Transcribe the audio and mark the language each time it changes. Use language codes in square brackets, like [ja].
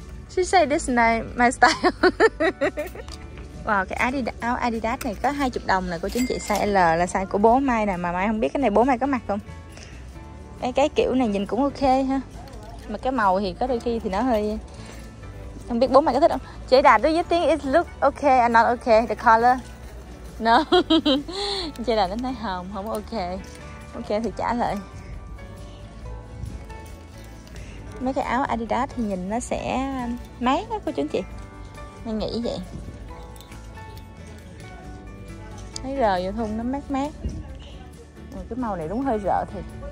[en] She say this is my style. [vi] Wow, cái áo Adidas này có 20 đồng nè cô chú anh chị. Size L là size của bố Mai nè. Mà Mai không biết cái này bố Mai có mặc không. Cái kiểu này nhìn cũng ok ha. Mà cái màu thì có đôi khi thì nó hơi, không biết bố Mai có thích không. [en] Chị Đà, do you think it look ok and not ok the color? No. [vi] Chị Đà nó thấy hồng, không ok. Ok thì trả lời. Mấy cái áo Adidas thì nhìn nó sẽ mát đó cô chú anh chị. Mình nghĩ vậy. Thấy rờ vô thun nó mát mát. Cái màu này đúng hơi rợ thiệt.